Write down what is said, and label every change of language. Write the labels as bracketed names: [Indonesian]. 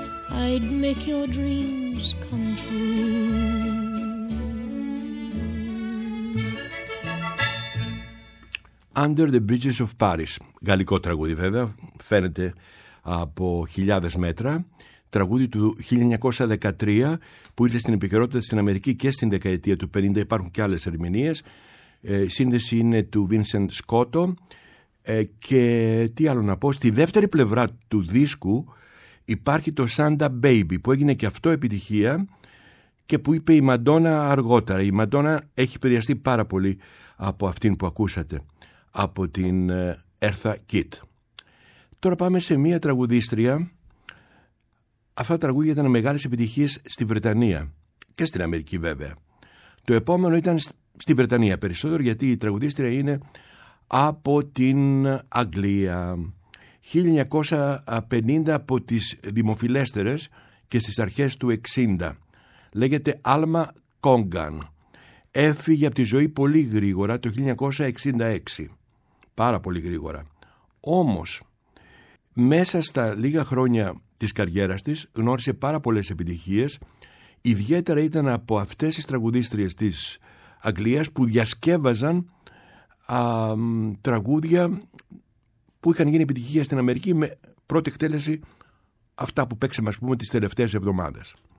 [English] I'd make your dreams come true. [Greek] Under the Bridges of Paris, γαλλικό τραγούδι βέβαια, φαίνεται από χιλιάδες μέτρα, τραγούδι του 1913 που ήρθε στην επικαιρότητα στην Αμερική και στην δεκαετία του 50, υπάρχουν και άλλες ερμηνείες. Σύνδεση είναι του Vincent Scotto. Και τι άλλο να πω, στη δεύτερη πλευρά του δίσκου υπάρχει το Santa Baby που έγινε και αυτό επιτυχία και που είπε η Μαντόνα αργότερα. Η Μαντόνα έχει επηρεαστεί πάρα πολύ από αυτήν που ακούσατε, από την Eartha Kitt. Τώρα πάμε σε μία τραγουδίστρια. Αυτά τα τραγούδια ήταν μεγάλες επιτυχίες στη Βρετανία και στην Αμερική βέβαια. Το επόμενο ήταν στη Βρετανία περισσότερο, γιατί η τραγουδίστρια είναι από την Αγγλία. 1950, από τις δημοφιλέστερες και στις αρχές του 60. Λέγεται Alma Cogan. Έφυγε από τη ζωή πολύ γρήγορα το 1966. Πάρα πολύ γρήγορα. Όμως, μέσα στα λίγα χρόνια της καριέρας της γνώρισε πάρα πολλές επιτυχίες. Ιδιαίτερα ήταν από αυτές τις τραγουδίστριες της Αγγλίας που διασκεύαζαν τραγούδια που είχαν γίνει επιτυχία στην Αμερική, με πρώτη εκτέλεση αυτά που παίξαμε, ας πούμε, τις τελευταίες εβδομάδες.